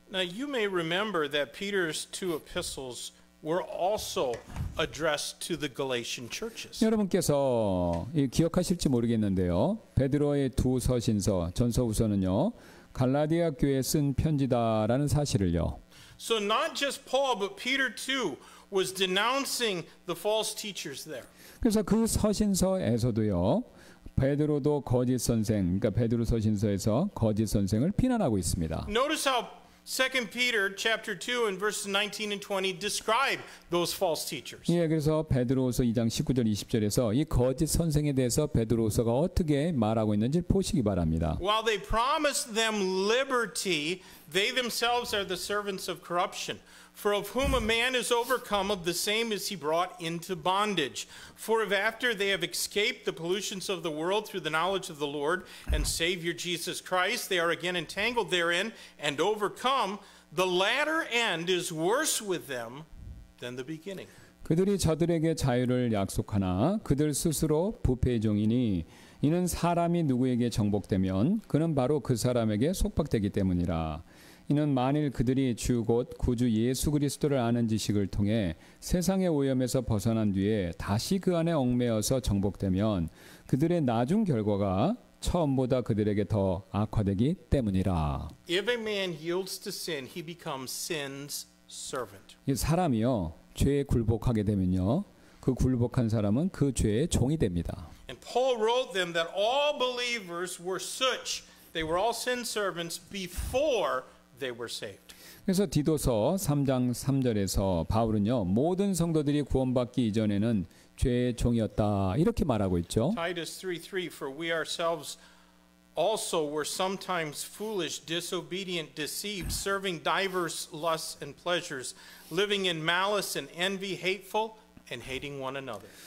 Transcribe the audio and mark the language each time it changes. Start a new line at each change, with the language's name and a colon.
English: Now you may remember that Peter's two epistles were also addressed to the Galatian churches.
Korean: 여러분께서 기억하실지 모르겠는데요. 베드로의 두 서신서 전서후서는요. 갈라디아 교회에 쓴 편지다라는 사실을요.
English: So not just Paul but Peter too was denouncing the false teachers there.
Korean: 그래서 그 서신서에서도요. 베드로도 거짓 선생, 그러니까 베드로 서신서에서 거짓 선생을 비난하고 있습니다.
English: Notice how 2 Peter chapter 2 and verses 19 and 20 describe those false teachers.
Korean: 예, 그래서 베드로서 2장 19절 20절에서 이 거짓 선생에 대해서 베드로서가 어떻게 말하고 있는지 보시기 바랍니다.
English: While they promised them liberty, they themselves are the servants of corruption. For of whom a man is overcome, of the same is he brought into bondage. For if after they have escaped the pollutions of the world through the knowledge of the Lord and Savior Jesus Christ, they are again entangled therein and overcome, the latter end is worse with them than the beginning.
Korean: 그들이 저들에게 자유를 약속하나 그들 스스로 부패의 종이니 이는 사람이 누구에게 정복되면 그는 바로 그 사람에게 속박되기 때문이라. 이는 만일 그들이 주 곧 구주 예수 그리스도를 아는 지식을 통해 세상의 오염에서 벗어난 뒤에 다시 그 안에 얽매여서 정복되면 그들의 나중 결과가 처음보다 그들에게 더 악화되기 때문이라.
English: If a man yields to sin, he becomes sin's servant.
Korean: 사람이요 죄에 굴복하게 되면요 그 굴복한 사람은 그 죄의 종이 됩니다.
English: And Paul wrote them that all believers were such; they were all sin's servants before. They were saved.
Korean: 그래서 디도서 3장 3절에서 바울은요 모든 성도들이 구원받기 이전에는 죄의 종이었다 이렇게 말하고 있죠.
English: Titus 3:3 For we ourselves also were sometimes foolish, disobedient, deceived, serving diverse lusts and pleasures, living in malice and envy, hateful and hating one another.